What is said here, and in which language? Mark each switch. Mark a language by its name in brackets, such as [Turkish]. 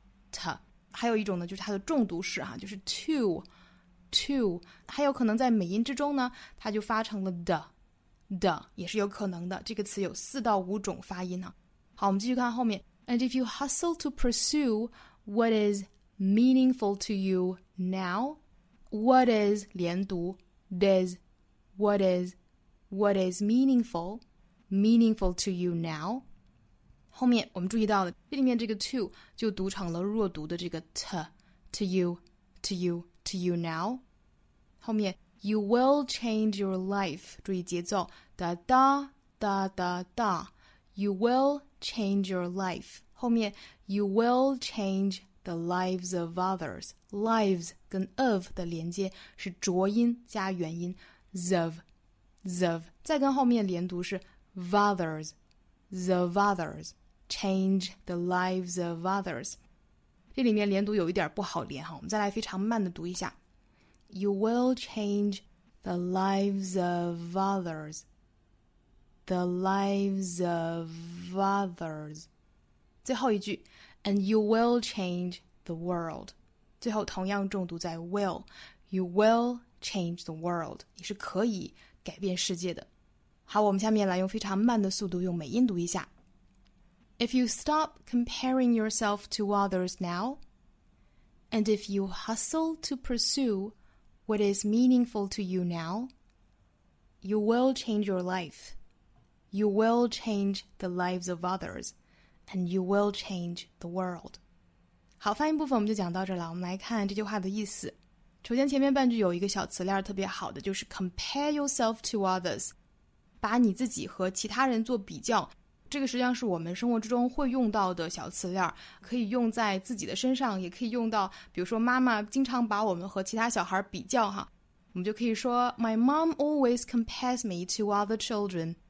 [Chinese] T 还有一种呢就是它的重读式啊就是 To To 还有可能在美音之中呢它就发成了 The The 也是有可能的这个词有四到五种发音啊好我们继续看后面 [English] And if you hustle to pursue what is meaningful to you now, [Chinese] what is 连读 does, what is meaningful, meaningful to you now. 后面我们注意到了这里面这个 to 就读成了弱读的这个 t, to you, to you, to you now. 后面 [English] you will change your life. [Chinese] 注意节奏 da da da da da. You will. [English] Change your life. [Chinese] 后面 [English] you will change the lives of others. [Chinese] Lives 跟 of 的连接是浊音加元音 of, of. 再跟后面连读是 others, the others. [English] Change the lives of others. [Chinese] 这里面连读有一点不好连哈，我们再来非常慢的读一下。 [English] You will change the lives of others. The lives of others. [Chinese] 最后一句 [English] And you will change the world. [Chinese] 最后同样重读在 will. [English] You will change the world. [Chinese] 你是可以改变世界的。好，我们下面来用非常慢的速度用美音读一下。 [English] If you stop comparing yourself to others now, and if you hustle to pursue what is meaningful to you now, you will change your life. You will change the lives of others, and you will change the world. [Chinese] 好，发音部分我们就讲到这了。我们来看这句话的意思。首先，前面半句有一个小词链特别好的，就是 compare yourself to others， 把你自己和其他人做比较。这个实际上是我们生活之中会用到的小词链，可以用在自己的身上，也可以用到，比如说妈妈经常把我们和其他小孩比较哈，我们就可以说 [English] My mom always compares me to other children.